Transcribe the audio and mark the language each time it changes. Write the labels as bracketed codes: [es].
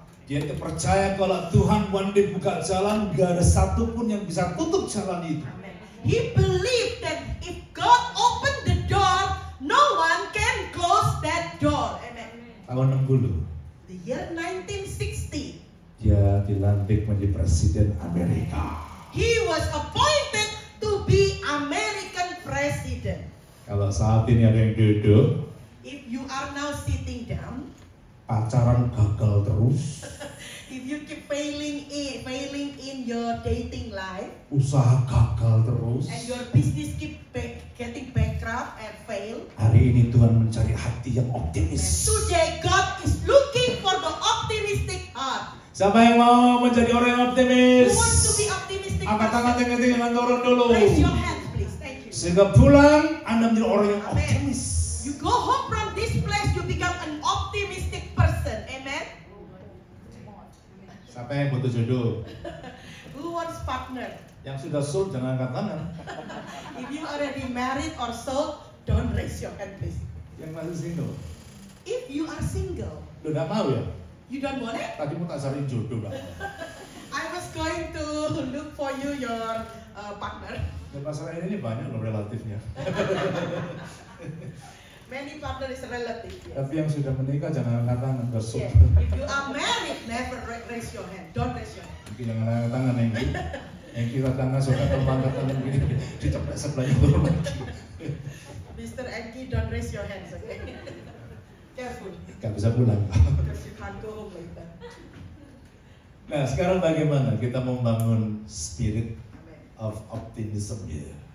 [id] Dia terpercaya kalau Tuhan [en] one day [id] buka jalan, gak ada satupun yang bisa tutup jalan itu. Amen. [en] He believed that if God opened the door, no one can close that door. [id] Tahun 60. [en] The year 1960. [id] Dia dilantik menjadi presiden Amerika. [en] He was appointed to be American president. [id] Kalau saat ini ada yang duduk. [en] If you are now sitting down. [id] Pacaran gagal terus. [en] If you keep failing in your dating life. [id] Usaha gagal terus. [en] And your business keep getting bankrupt and fail. [id] Hari ini Tuhan mencari hati yang optimis. [en] And today God is looking for the optimistic heart. [id] Siapa yang mau menjadi orang yang optimis? [en] Who wants to be optimistic? [id] Angkat tangan yang tinggi dengan turun dulu. [en] Raise your hands please. Thank you. [id] Sehingga pulang Anda menjadi orang yang optimis. [en] You go home from this place, you become an optimistic person. Amen. [id] Siapa yang butuh jodoh? [en] Who wants partner? [id] Yang sudah sold jangan angkat tangan. [en] If you already married or sold, don't raise your hand please. [id] Yang masih single. [en] If you are single. [id] Lo gak mau ya? [en] You don't want it? [id] Tadi mau tak cariin jodoh lah. [en] I was going to look for you your partner. [id] Dan masalah ini banyak loh relatifnya. [en] Many partner is relative. [id] Tapi yang sudah menikah jangan angkat tangan, gak sok. [en] If you are married, never raise your hand. Don't raise your hand. [id] Mungkin jangan angkat tangan, Enggi. Enggi lah karena suka terpangkat tangan gini. Dicepet sebelahnya dulu. [en] Mr. Enggi, don't raise your hand. Careful. [id] Gak bisa pulang. [en] Because you can't go home later. [id] Nah, sekarang bagaimana kita membangun [en] spirit of optimism here?